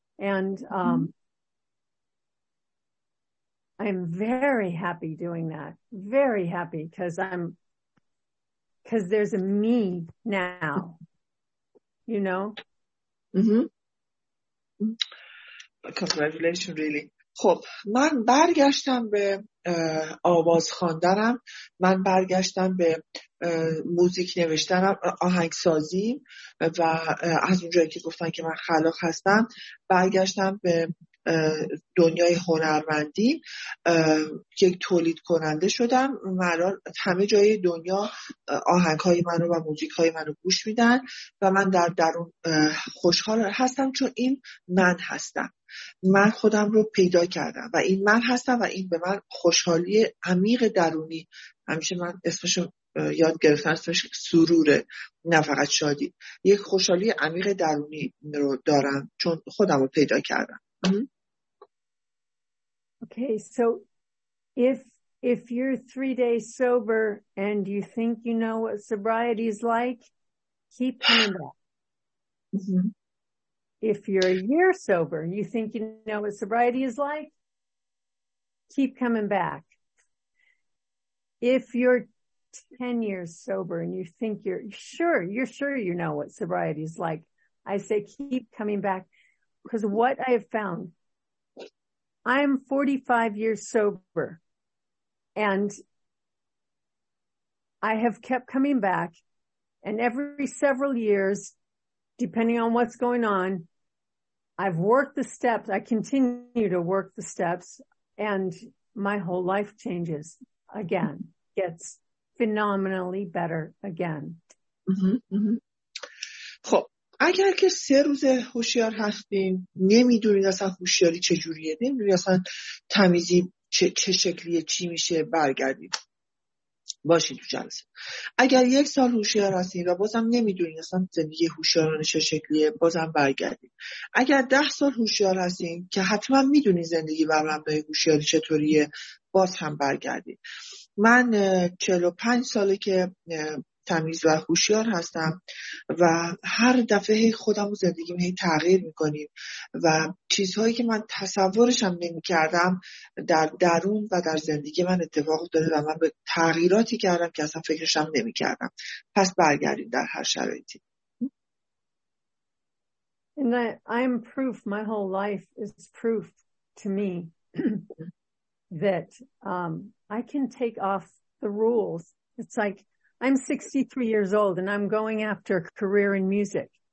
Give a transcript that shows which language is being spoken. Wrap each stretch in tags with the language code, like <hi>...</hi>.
<en>And I'm very happy doing that. Very happy because there's a me now, you know? Mm-hmm. Congratulations, really.</en> <fa>خب من برگشتم به آواز خواندنم، من برگشتم به موزیک نوشتنم، آهنگ سازیم، و از اونجایی که گفتن که من خلاق هستم برگشتم به دنیای هنرمندی، یک تولید کننده شدم. الان همه جای دنیا آهنگ های منو و موزیک های منو گوش میدن و من در درون خوشحال هستم، چون این من هستم، من خودم رو پیدا کردم و این من هستم و این به من خوشحالی عمیق درونی، همیشه من اسمش رو یاد گرفتم، اسمش سروره، نه فقط شادی، یک خوشحالی عمیق درونی رو دارم چون خودم رو پیدا کردم.</fa> <en>Okay, so if you're 3 days sober and you think you know what sobriety is like, keep doing that. If you're a year sober, you think you know what sobriety is like, keep coming back. If you're 10 years sober and you think you're sure you know what sobriety is like, I say keep coming back. Because what I have found, I'm 45 years sober and I have kept coming back, and every several years, depending on what's going on, I've worked the steps. I continue to work the steps, and my whole life changes again. Gets phenomenally better again.</en> <fa>خب اگر که 3 روز هوشیار هستین، نمیدونید اصلا هوشیاری چجوریه، نمیدونید اصلا تمیزی چه شکلیه، چی میشه، برگردید باشین تو جلسه. اگر 1 سال هوشیار هستین و بازم نمیدونین اصلا زندگی هوشیارانه چه شکلیه، بازم برگردین. اگر 10 سال هوشیار هستین که حتما میدونین زندگی بر مبنای هوشیاری چطوریه، باز هم برگردین. من 45 ساله که تمیز و هوشیار هستم و هر دفعه خودم و زندگیم هی تغییر میکنیم و چیزهایی که من تصورشم نمیکردم در درون و در زندگی من اتفاق داره و من به تغییراتی کردم که اصلا فکرشم نمیکردم. پس برگردیم در هر شرایطی.</fa> <en>And I'm proof, my whole life is proof to me that I can take off the rules. It's like I'm 63 years old and I'm going after a career in music.</en>